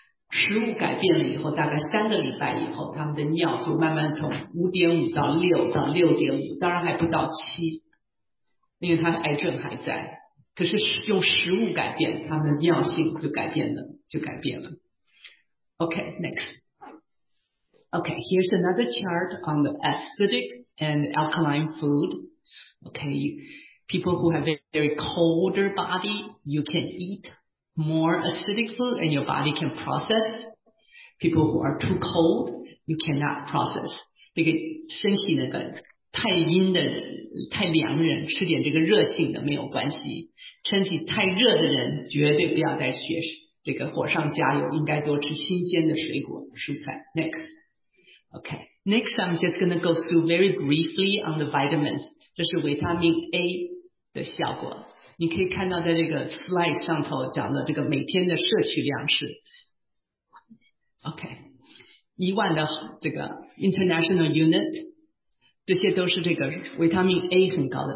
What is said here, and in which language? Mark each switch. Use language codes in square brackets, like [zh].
[zh] 食物改变了以后大概三个礼拜以后他们的尿就慢慢从 5.5 到6到 6.5 当然还不到7因为他的癌症还在可是用食物改变他们的尿性就改变了 [en] Okay, next. Okay, here's another chart on the acidic and alkaline food. Okay, people who have a very colder body, you can eat more acidic food and your body can process. People who are too cold, you cannot process. [zh] 这个身体那个太阴的人、太凉人，吃点这个热性的没有关系。身体太热的人，绝对不要再学习。这个火上加油，应该多吃新鲜的水果、蔬菜。 [en] Next, okay. Next, I'm just going to go through very briefly on the vitamins. [zh] 这是维他命 A 的效果。你可以看到在这个 slide 上头讲的这个每天的摄取量是 OK 一万的这个 international unit， 这些都是这个维他命 A 很高的。